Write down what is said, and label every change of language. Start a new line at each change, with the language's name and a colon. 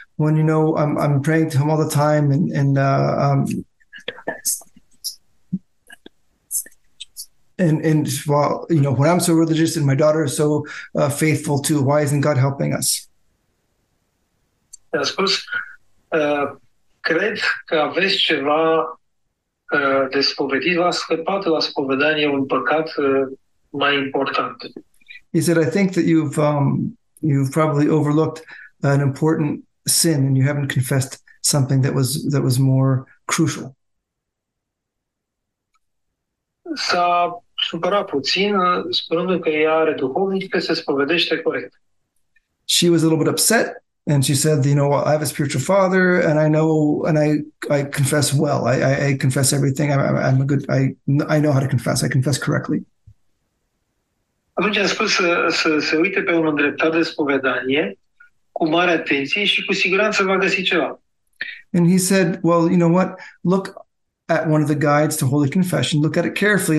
English: When you know I'm praying to him all the time, and well, you know, when I'm so religious and my daughter is so faithful too, why isn't God helping us?" Yeah, I suppose.
Romanian: Cred că aveți ceva de spovedit, v-a scăpat la spovedanie un păcat mai important.
English: He said, I think that you've probably overlooked an important sin and you haven't confessed something that was more crucial.
Romanian: S-a supărat puțin, spunându că ea are duhovnic, că se spovedește corect.
English: She was a little bit upset. And she said, you know, I have a spiritual father and I know, and I confess well. I confess everything. I'm a good, I know how to confess. I confess correctly.
Romanian: Atunci a spus să se uite pe un îndreptat de spovedanie cu mare atenție și cu siguranță va găsi ceva.
English: And he said, well, you know what? Look at one of the guides to Holy Confession. Look at it carefully.